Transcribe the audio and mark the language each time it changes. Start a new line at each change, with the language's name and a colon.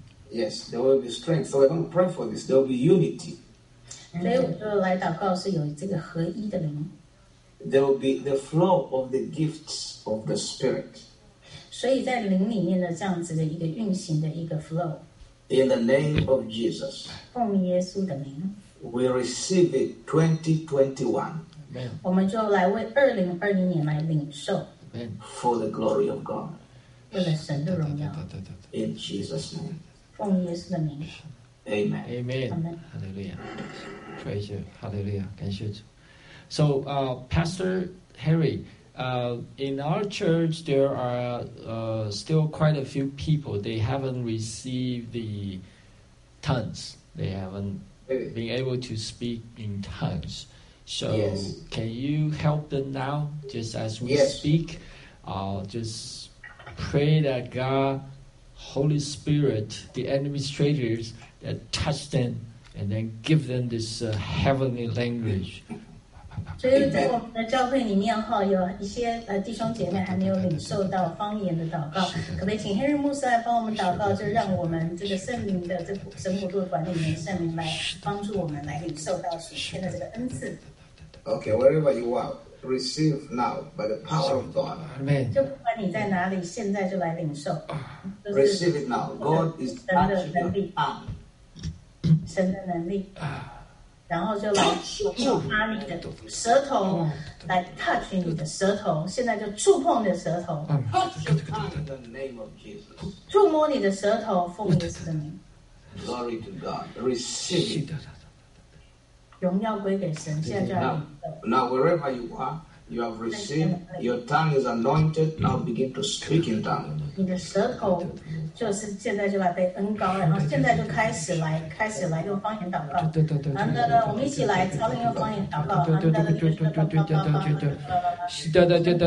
English: Yes, there will be strength. So we're going to pray for this. There will be unity.
Chinese: 所以我就来祷告，是有这个合一的灵。
English: There will be the flow of the gifts of the Spirit.
Chinese: 所以在灵里面的这样子的一个运行的一个 flow.
English: In the name of Jesus.
Chinese: 奉耶稣的名。
English: We receive it 2021. Amen.
Chinese: 我们就来为2020年来领受。
English: Amen. For the glory of God.
Chinese: 为了神的荣耀。
English: In Jesus' name.
Chinese: 奉耶稣的名
English: Amen. Amen. Hallelujah. Praise you. Hallelujah.
Chinese: 感谢主。
English: So, Pastor Harry, in our church, there are still quite a few people. They haven't received the tongues. They haven't been able to speak in tongues. So, can you help them now? Just as we speak, just pray that God... Holy Spirit, the administrators that touch them and then give them this heavenly language.
Chinese: 所以在我们的教会里面哈，有一些弟兄姐妹还没有领受到方言的祷告，可不可以请 Harry 牧师来帮我们祷告，就让我们这个圣灵的这神国度管理员圣灵来帮助我们来领受到属天的这个恩赐。
English: Okay, wherever you are. Receive now by the power of God. Amen.
Chinese: 就不管你在哪里，现在就来领受。
English: Receive it now. God is touching your arm.
Chinese: 神的能力。然后就来触碰你的舌头，来 touch 你的舌头。现在就触碰你的舌头。
English: Touch your tongue in the name of Jesus.
Chinese: 触摸你的舌头，奉耶稣的名。
English: Glory to God. Receive it.
Chinese: 荣耀归给神，现在就来。
English: Now, wherever you are, you have received, your tongue is anointed, now begin to speak in tongues.
Chinese: 你的舌头就是现在就来被恩膏，然后现在就开始来用方言祷告。对对对对。我们一起来操练用方言祷告。对对对对对对对对对对对。